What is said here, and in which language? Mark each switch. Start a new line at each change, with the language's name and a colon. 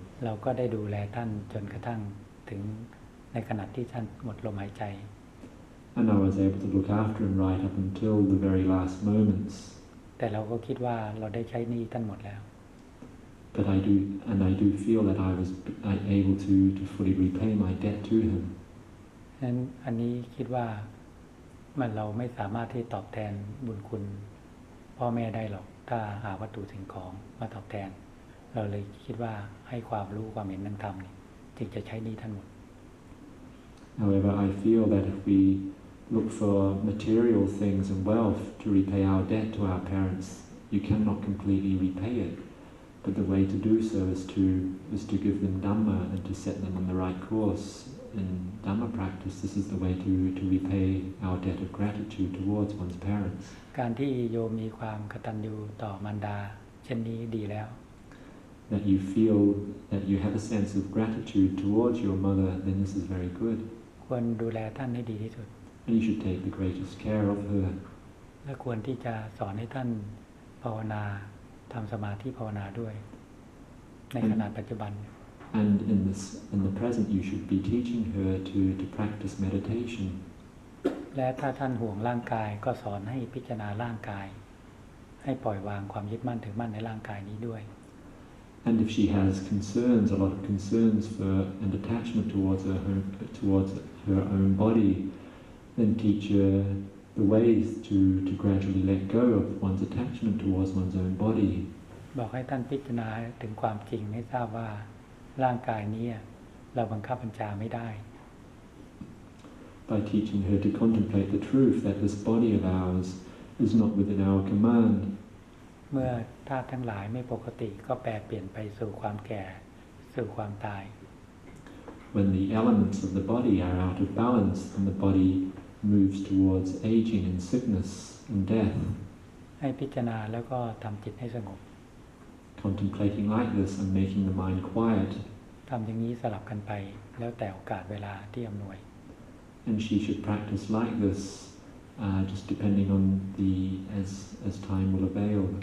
Thai: เราก็ได้ดูแลท่านจนกระทั่งถึงในขณะที่ท่านหมดลมหายใจ
English: And I was able to look after him right up until the very last moments
Thai: แต่เราก็คิดว่าเราได้ใช้หนี้ท่านหมดแล้ว
English: But I do and I do feel that I was able to fully repay my debt to him
Thai: นั้นอันนี้คิดว่าเราไม่สามารถที่ตอบแทนบุญคุณพ่อแม่ได้หรอกถ้าหาวัตถุสิ่งของมาตอบแทนเราเลยคิดว่าให้ความรู้ความเห็นทางธรรมนี่จึงจะใช้นี้ทั้งหมด
English: However I feel that if we look for material things and wealth to repay our debt to our parents you cannot completely repay it But the way to do so is to give them Dhamma and to set them on the right course. In Dhamma practice, this is the way to repay our debt of gratitude towards one's parents.
Thai: การที่โยมมีความกตัญญูต่อมารดาเช่นนี้ดีแล้ว
English: That you feel that you have a sense of gratitude towards your mother, then this is very good.
Thai: ควรดูแลท่านให้ดีที่สุด
English: And you should take the greatest care of her.
Thai: และควรที่จะสอนให้ท่านภาวนาทำสมาธิภาวนาด้วยในขณะปัจจุบัน
English: And in the present you should be teaching her to practice meditation.
Thai: และถ้าท่านห่วงร่างกายก็สอนให้พิจารณาร่างกายให้ปล่อยวางความยึดมั่นถือมั่นในร่างกายนี้ด้วย
English: And if she has concerns, a lot of concerns for an attachment towards her own body, then teach her the ways to gradually let go of one's attachment towards one's own body.
Thai: บอกให้ท่านพิจารณาถึงความจริงให้ทราบว่าร่างกายนี้เราบังคับบัญชาไม่ได้
English: By teaching her to contemplate the truth that this body of ours is not within our command
Thai: เมื่อธาตุทั้งหลายไม่ปกติก็แปรเปลี่ยนไปสู่ความแก่สู่ความตาย
English: When the elements of the body are out of balance and the body moves towards aging and sickness and death
Thai: ให้พิจารณาแล้วก็ทำจิตให้สงบ
English: Contemplating like this and making the mind quiet.
Thai: ทำอย่างนี้สลับกันไปแล้วแต่โอกาสเวลาที่อำนวย
English: And she should practice like this, just depending on the as time will avail.